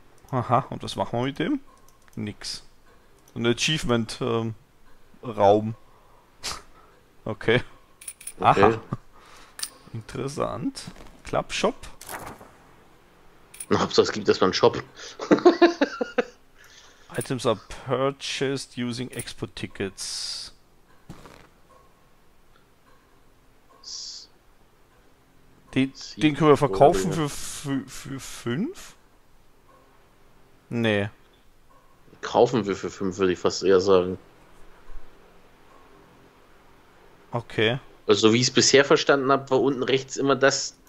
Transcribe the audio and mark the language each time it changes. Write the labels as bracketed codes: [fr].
[de] Aha, und was machen wir mit dem? Nix. Ein Achievement Raum. Okay. Aha. Interessant. Club Shop. Na, ob es das gibt, dass man Shop. [en] Items are purchased using Expo Tickets. [de] Den können wir verkaufen für 5? Nee. Kaufen wir für 5, würde ich fast eher sagen. Okay. Also wie ich es bisher verstanden habe, war unten rechts immer das